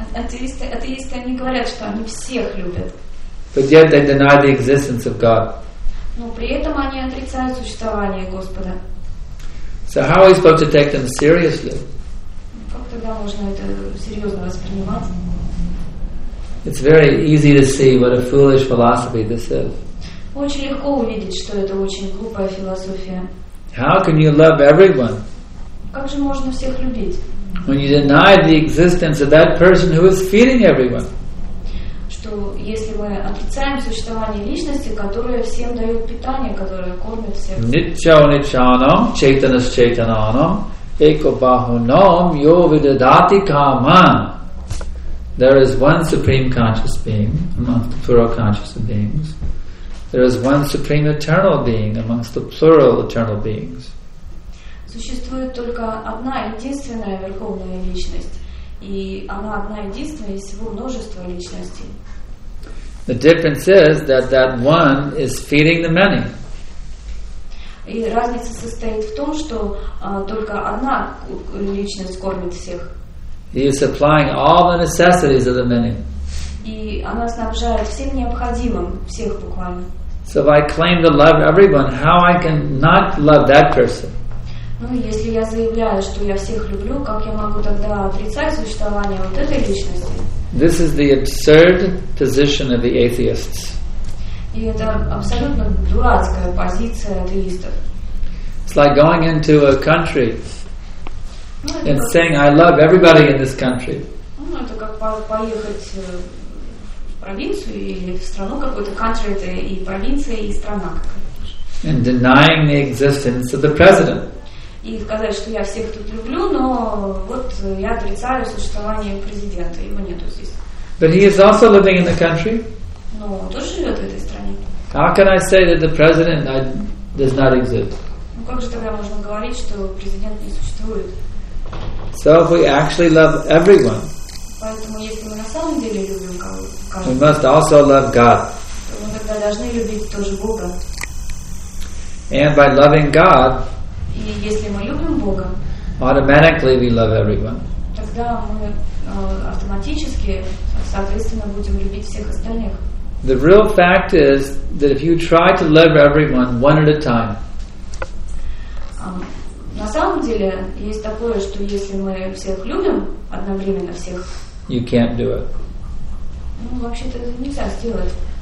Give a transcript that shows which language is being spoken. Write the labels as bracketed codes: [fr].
[ru] Атеисты, они говорят, что они всех любят. [en] But yet they deny the existence of God. [ru] Но при этом они отрицают существование Господа. [en] So how are we supposed to take them seriously? [ru] Как тогда можно это серьезно воспринимать? [en] It's very easy to see what a foolish philosophy this is. [ru] Очень легко увидеть, что это очень глупая философия. [en] How can you love everyone? [ru] Как же можно всех любить? [en] When you deny the existence of that person who is feeding everyone. [ru] Что если мы отрицаем существование личности, которая всем дает питание, которая кормит всех. [sa] Ничо ничаном, чайтанас чайтананом, эко бахуном, йо видадати каман. [en] There is one supreme conscious being amongst the plural conscious beings. There is one supreme eternal being amongst the plural eternal beings. [ru] Существует только одна единственная верховная личность, и она одна единственная из всего множества личностей. [en] The difference is that one is feeding the many. [ru] И разница состоит в том, что только одна личность кормит всех. [en] He is supplying all the necessities of the many. [ru] И она снабжает всем необходимым, всех буквально. [en] So if I claim to love everyone, how I can not love that person? [ru] Ну, если я заявляю, что я всех люблю, как я могу тогда отрицать существование вот этой личности? [en] This is the absurd position of the atheists. [ru] И это абсолютно дурацкая позиция атеистов. [en] It's like going into a country and saying, I love everybody in this country. And denying the existence of the president. [ru] И сказать, что я всех тут люблю, но вот я отрицаю существование президента, его нету здесь. [en] But he is also living in the country. [ru] Но он тоже живет в этой стране. [en] How can I say that the president does not exist? [ru] Ну как же тогда можно говорить, что президент не существует? [en] So if we actually love everyone. [ru] Поэтому если мы на самом деле любим кого-то. [en] We must also love God. [ru] Мы тогда должны любить тоже Бога. [en] And by loving God. [ru] И если мы любим Бога, [en] automatically we love everyone. [ru] Тогда мы автоматически, соответственно, будем любить всех остальных. [en] The real fact is that if you try to love everyone one at a time, [ru] на самом деле есть такое, что если мы всех любим одновременно всех, [en] you can't do it. [ru] Ну, вообще-то это нельзя сделать.